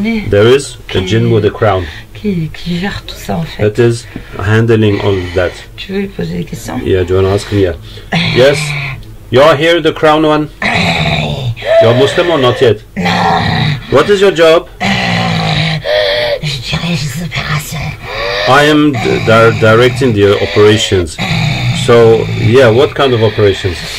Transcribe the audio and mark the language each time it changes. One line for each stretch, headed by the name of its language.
English: There is a jinn with a crown.
French: Qui gère tout ça en fait.
English: That is handling all that.
French: Tu veux lui poser des questions?
English: Yeah, do you want to ask me? Yeah. Yes. You are here, the crown one? You are Muslim or not yet?
French: Non.
English: What is your job?
French: Je dirige les opérations.
English: I am directing the operations. So, yeah, what kind of operations?